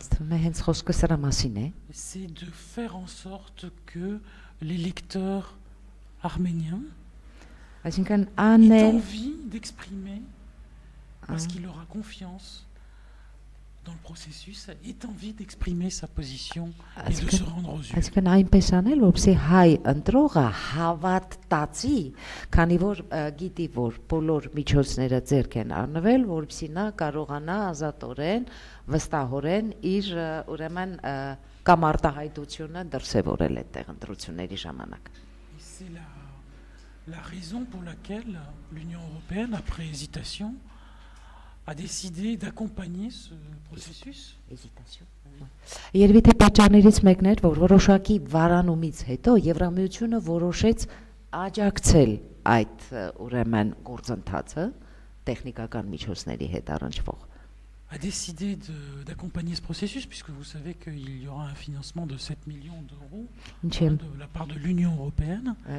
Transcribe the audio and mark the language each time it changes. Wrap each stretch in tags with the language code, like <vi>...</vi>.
<fr>C'est de faire en sorte que les lecteurs arméniens aient envie d'exprimer, parce qu'il aura confiance dans le processus, aient envie d'exprimer sa position et de se rendre aux urnes.</fr> <hy>Այսինքն այնպես անել, որպեսզի հայ ընտրողը հավատացի, քանի որ գիտի, որ բոլոր միջոցները ձեռք են առնվել, որպեսզի նա կարողանա ազատորեն վստահորեն իր ուրեմն կամ արտահայտությունը դրսևորել այդտեղ ընտրությունների ժամանակ։</hy> <fr>La raison pour laquelle l'Union européenne après hésitation a décidé d'accompagner ce processus. Hésitation.</fr> <hy>Երևի պատճաններից մեկն էր, որ որոշակի վարանումից հետո Եվրամիությունը որոշեց աջակցել այդ ուրեմն գործընթացը տեխնիկական միջոցների հետ առնչվող։</hy> <fr>A décidé d'accompagner ce processus, puisque vous savez qu'il y aura un financement de 7 millions d'euros de la part de l'Union européenne.</fr>